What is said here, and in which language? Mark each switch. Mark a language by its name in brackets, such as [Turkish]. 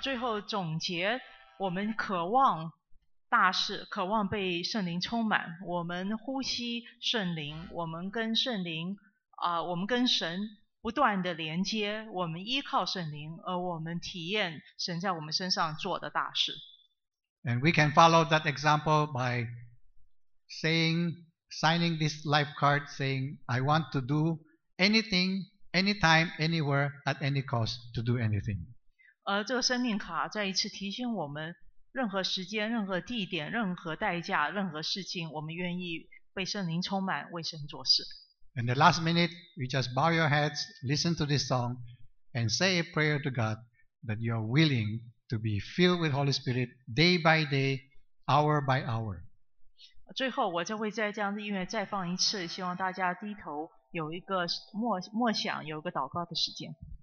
[Chinese] 最后总结，我们渴望大事，渴望被圣灵充满。我们呼吸圣灵，我们跟圣灵，我们跟神。不断的连接，我们依靠圣灵，而我们体验神在我们身上做的大事。 [English] And we can follow that example by saying, signing this life card, saying, I want to do anything, anytime, anywhere, at any cost to do anything. [Chinese] 而这个生命卡再一次提醒我们，任何时间、任何地点、任何代价、任何事情，我们愿意被圣灵充满，为神做事。 [English] In the last minute, you just bow your heads, listen to this song, and say a prayer to God that you are willing to be filled with Holy Spirit day by day, hour by hour. [Chinese] 最后，我就会再将音乐再放一次，希望大家低头有一个默想，有一个祷告的时间。